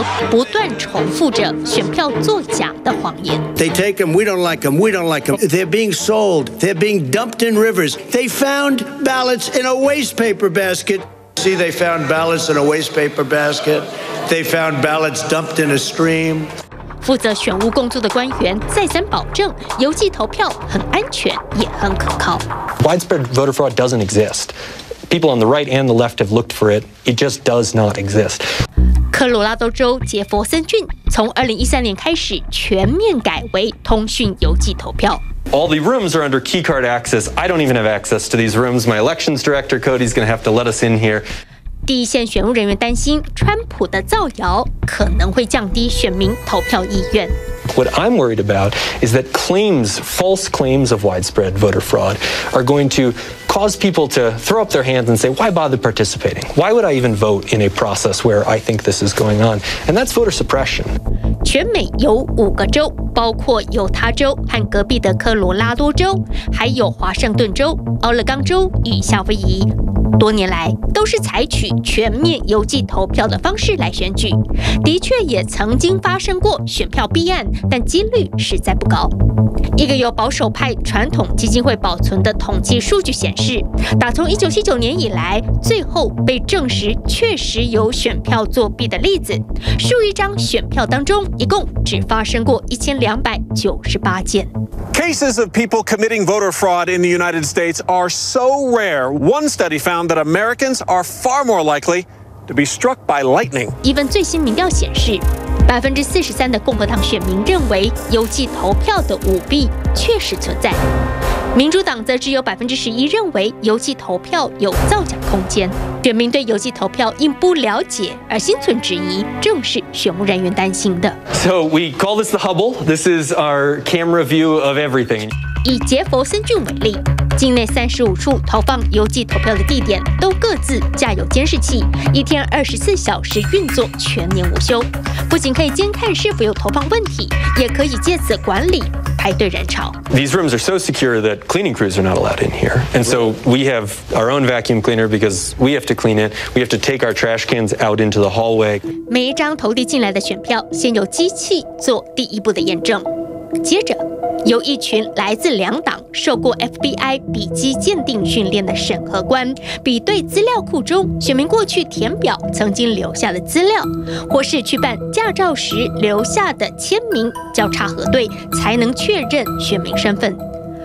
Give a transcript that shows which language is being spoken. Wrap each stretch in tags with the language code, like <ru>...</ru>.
<zh>不断重复着选票作假的谎言。</zh> <en>They take them, we don't like them, we don't like them. They're being sold, they're being dumped in rivers. They found ballots in a waste paper basket. See, they found ballots in a waste paper basket. They found ballots dumped in a stream.</en> <zh>负责选务工作的官员再三保证，邮寄投票很安全，也很可靠。</zh> <en>Widespread voter fraud doesn't exist. People on the right and the left have looked for it. It just does not exist.</en> <zh>科罗拉多州杰佛森郡从2013年开始全面改为通讯邮寄投票。</zh> <en>All the rooms are under keycard access. I don't even have access to these rooms. My elections director Cody's going to have to let us in here.</en> <zh>第一线选务人员担心，川普的造谣可能会降低选民投票意愿。</zh> <en>What I'm worried about is that claims, false claims of widespread voter fraud, are going to cause people to throw up their hands and say, why bother participating? Why would I even vote in a process where I think this is going on? And that's voter suppression.</en> <zh>全美有五个州，包括犹他州和隔壁的科罗拉多州，还有华盛顿州、奥勒冈州与夏威夷。多年来都是采取全面邮寄投票的方式来选举，的确也曾经发生过选票弊案，但几率实在不高。一个由保守派传统基金会保存的统计数据显示，打从1979年以来，最后被证实确实有选票作弊的例子，数亿张选票当中一共只发生过1298件。</zh> <en>Cases of people committing voter fraud in the United States are so rare. One study found that Americans are far more likely to be struck by lightning.</en> <zh>一份最新民调显示，43%的共和党选民认为邮寄投票的舞弊确实存在，民主党则只有11%认为邮寄投票有造假空间。选民对邮寄投票因不了解而心存质疑，正是选务人员担心的。</zh> <en>So we call this the Hubble. This is our camera view of everything.</en> <zh>以杰佛森郡为例，境内35处投放邮寄投票的地点都各自架有监视器，一天24小时运作，全年无休。不仅可以监看是否有投放问题，也可以借此管理排队人潮。</zh> <en>These rooms are so secure that cleaning crews are not allowed in here, and so we have our own vacuum cleaner because we have to clean it. We have to take our trash cans out into the hallway.</en> <zh>每一张投递进来的选票，先由机器做第一步的验证，接着由一群来自两党、受过 FBI 笔迹鉴定训练的审核官比对资料库中选民过去填表曾经留下的资料，或是去办驾照时留下的签名交叉核对，才能确认选民身份。</zh>